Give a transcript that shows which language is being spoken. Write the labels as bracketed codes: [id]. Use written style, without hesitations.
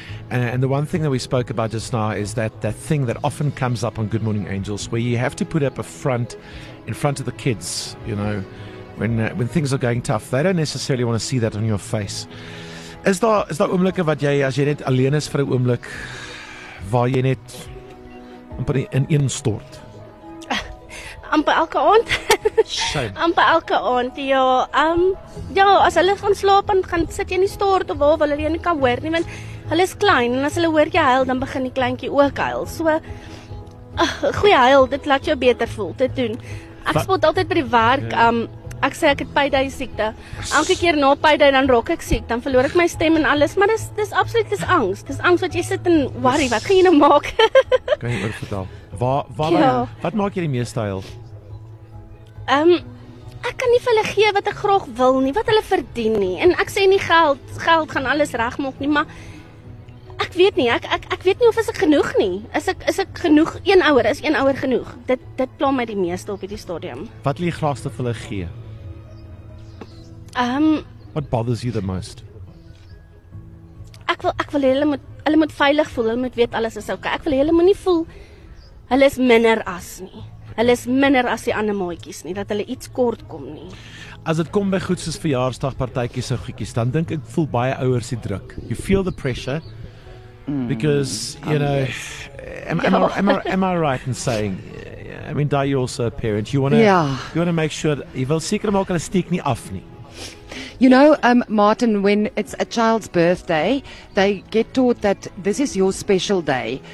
[en] And the one thing that we spoke about just now is that thing that often comes up on Good Morning Angels, where you have to put up a front in front of the kids, you know, when things are going tough. They don't necessarily want to see that on your face. [af] Is daar oomblikke wat jy, as jy net alleen is vir 'n oomblik, waar jy net amper in een stort? Amper elke aand. Amper elke aand, ja. Ja, as hulle gaan slaap en gaan sit jy in die stort of waar hulle jy nie kan hoor nie, want hulle is klein, en as hulle hoor jy huil, dan begin die kleintjie ook huil. So, goeie huil, dit laat jou beter voel, dit doen. Ek spot altyd by die werk, ek sê ek het payday siekte. Elke keer na payday, dan rok ek siek, dan verloor ek my stem en alles, maar dis absoluut, dis angs. Dis angs wat jy sit en worry, wat gaan jy nou maak? Kan jy oor vertel? Wat maak jy die meeste huil? Ek kan nie vir hulle gee wat ek graag wil nie, wat hulle verdien nie. En ek sê nie geld gaan alles reg maak nie, maar ek weet nie, ek weet nie of is ek genoeg nie. Is ek genoeg, een ouer genoeg? Dit pla my die meeste op hierdie stadium. Wat wil jy graagste vir hulle gee? [en] What bothers you the most? [af] Ek wil hulle moet veilig voel, hulle moet weet alles is okay. Ek wil hulle moet nie voel hulle is minder as nie. Hulle is minder as die ander maatjies nie, dat hulle iets kort kom nie. As dit kom by goed soos verjaarsdagpartytjies en goedjies, dan dink ek voel baie ouers die druk. [en] You feel the pressure. Because, you know, am I right in saying, I mean, Di, you're also a parent. You want to make sure that you will seek them all kind of stick me off. You know, Martin, when it's a child's birthday, they get taught that this is your special day.